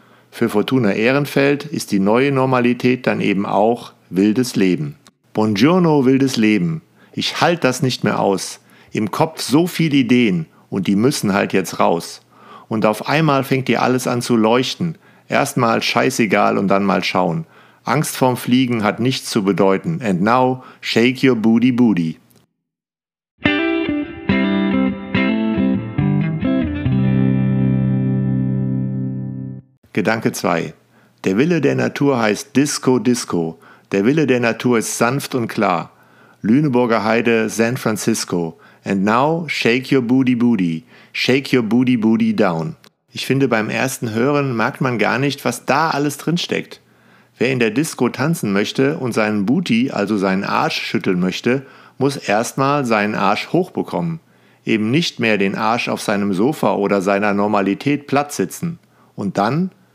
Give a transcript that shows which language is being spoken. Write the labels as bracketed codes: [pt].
[de] Für Fortuna Ehrenfeld ist die neue Normalität dann eben auch wildes Leben. [it] Buongiorno, [de] wildes Leben. Ich halte das nicht mehr aus. Im Kopf so viele Ideen und die müssen halt jetzt raus. Und auf einmal fängt dir alles an zu leuchten. Erstmal scheißegal und dann mal schauen. Angst vorm Fliegen hat nichts zu bedeuten. [en] And now, shake your booty booty. [de] Gedanke 2. Der Wille der Natur heißt Disco Disco. Der Wille der Natur ist sanft und klar. Lüneburger Heide, San Francisco. [en] And now, shake your booty booty. Shake your booty booty down. [de] Ich finde, beim ersten Hören merkt man gar nicht, was da alles drinsteckt. Wer in der Disco tanzen möchte und seinen Booty, also seinen Arsch, schütteln möchte, muss erstmal seinen Arsch hochbekommen. Eben nicht mehr den Arsch auf seinem Sofa oder seiner Normalität platt sitzen. Und dann?